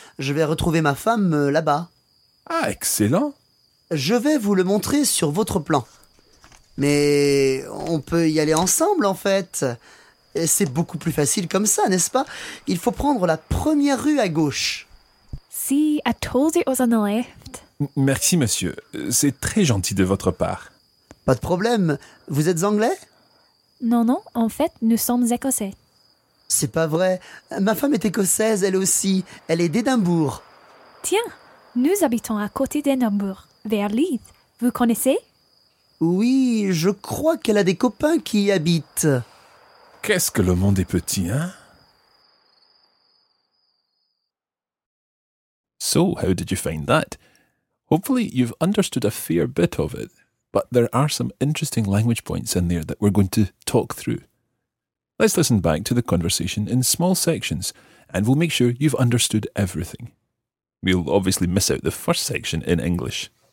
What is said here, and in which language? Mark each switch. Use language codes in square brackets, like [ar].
[fr] Je vais retrouver ma femme là-bas. Ah, excellent ! Je vais vous le montrer sur votre plan. Mais on peut y aller ensemble, en fait. Et c'est beaucoup plus facile comme ça, n'est-ce pas ? Il faut prendre la première rue à gauche. [en] See, I told you it was on the left. [fr] Merci, monsieur. C'est très gentil de votre part. Pas de problème. Vous êtes anglais ? Non. En fait, nous sommes écossais. C'est pas vrai. Ma femme est écossaise, elle aussi. Elle est d'Édimbourg. Tiens, nous habitons à côté d'Édimbourg, vers Leeds. Vous connaissez ? Oui, je crois qu'elle a des copains qui y habitent. Qu'est-ce que le monde est petit, hein ? [en] So, how did you find that? Hopefully, you've understood a fair bit of it, but there are some interesting language points in there that we're going to talk through. Let's listen back to the conversation in small sections, and we'll make sure you've understood everything. We'll obviously miss out the first section in English.